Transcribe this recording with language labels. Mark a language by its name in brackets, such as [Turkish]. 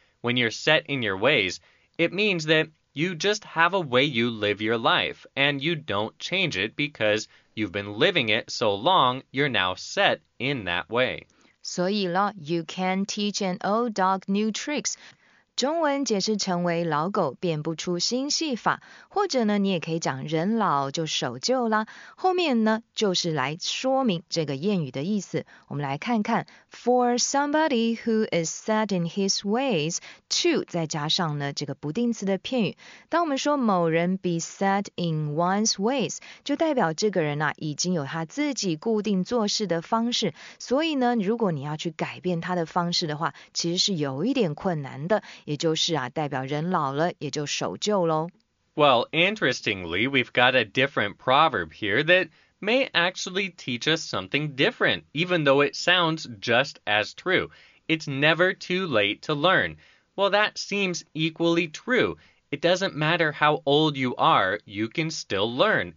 [English] When you're set in your ways, it means that you just have a way you live your life and you don't change it because you've been living it so long, you're now set in that way. 所以了, you can teach an old dog new tricks. [Chinese] 中文解释成为老狗变不出新戏法，或者呢，你也可以讲人老就守旧啦。后面呢，就是来说明这个谚语的意思。我们来看看 ， for somebody who is set in his ways to 再加上呢这个不定词的片语。当我们说某人 be set in one's ways，就代表这个人呢、啊、已经有他自己固定做事的方式。所以呢，如果你要去改变他的方式的话，其实是有一点困难的。也就是啊，代表人老了，也就守旧咯。 [English] Well, interestingly, we've got a different proverb here that may actually teach us something different, even though it sounds just as true. It's never too late to learn. Well, that seems equally true. It doesn't matter how old you are, you can still learn.